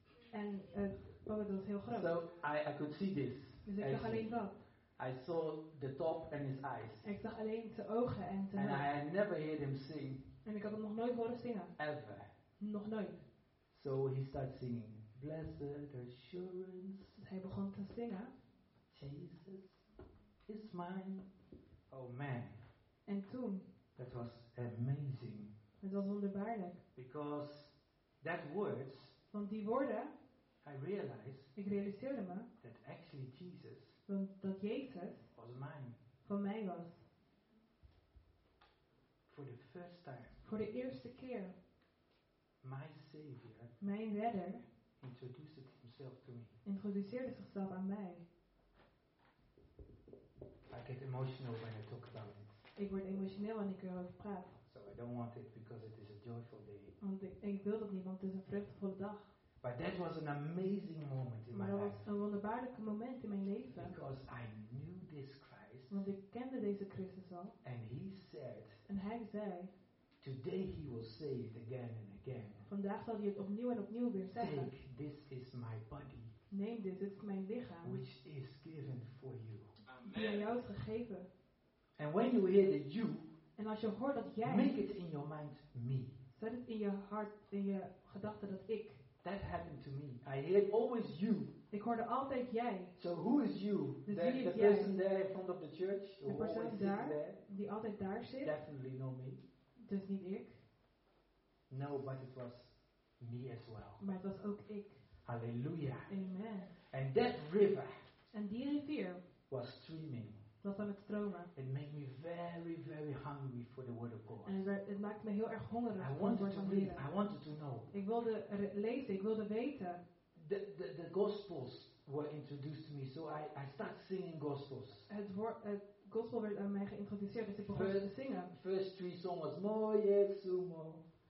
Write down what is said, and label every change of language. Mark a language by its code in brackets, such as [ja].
[nl] En het pulpit was heel groot. [en] So I could see this. [nl] Dus ik zag alleen dat. [en] I saw the top and his eyes. [nl] Ik zag alleen zijn ogen en zijn. [en] And I had never heard him sing. [nl] En ik had hem nog nooit horen zingen. [en] Ever. [nl] Nog nooit. [en] So he starts singing, Blessed Assurance. [nl] Hij begon te zingen. [en] Jesus is mine. Oh man. [nl] En toen. [en] That was amazing. [nl] Het was wonderbaarlijk. [en] Because that words. [nl] Want die woorden. [en] I realized. [nl] Ik realiseerde me. [en] That actually Jesus. [nl] Dat Jezus. [en] Was mine. [nl] Voor mij was. [en] For the first time. [nl] Voor de eerste keer. [en] My Savior, [nl] mijn redder, [en] introduced himself to me. [nl] Introduceerde zichzelf aan mij. [en] I get emotional when I talk about it. [nl] Ik word emotioneel wanneer ik erover praat. [en] So I don't want it because it is a joyful day. [nl] Want ik wil dat niet, want het is een vreugdevolle dag. [en] But that was an amazing moment in [nl] maar [en] my life. [nl] Maar dat was een wonderbaarlijke moment in mijn leven. [en] Because I knew this Christ. [nl] Want ik kende deze Christus al. [en] And he said. [nl] En hij zei. [en] Today he will say it again and again. [nl] Vandaag zal hij het opnieuw en opnieuw weer zeggen. [en] Take, this is my body. [nl] Neem dit, dit is mijn lichaam. [en] Which is given for you. [nl] Amen. Die aan jou is gegeven. [en] And when you hear that you. [nl] En als je hoort dat jij. [en] Make it in your mind me. [nl] Zet het in je hart, in je gedachten dat ik. [en] That happened to me. I heard always you. [nl] Ik hoorde altijd jij. [en] So who is you? [nl] Dus [en] the is the [nl] jij? [en] Person there in front of the church. [nl] De persoon daar, die altijd daar zit. [en] Definitely not me. [nl] Dus niet ik. [en] No, but it was me as well. [nl] Maar het was ook ik. Halleluja. Amen. [en] And that river. [nl] En die rivier. [en] Was streaming. [nl] Was aan het stromen. [en] It made me very, very hungry for the word of God. [nl] En het maakte me heel erg hongerig. [en] I wanted to read. I wanted to know. [nl] Ik wilde lezen. Ik wilde weten. [en] The gospels were introduced to me, so I start singing gospels. [nl] Gospel werd aan mij geïntroduceerd, dus ik begon te zingen. [en] First three songs was Moye Sumo.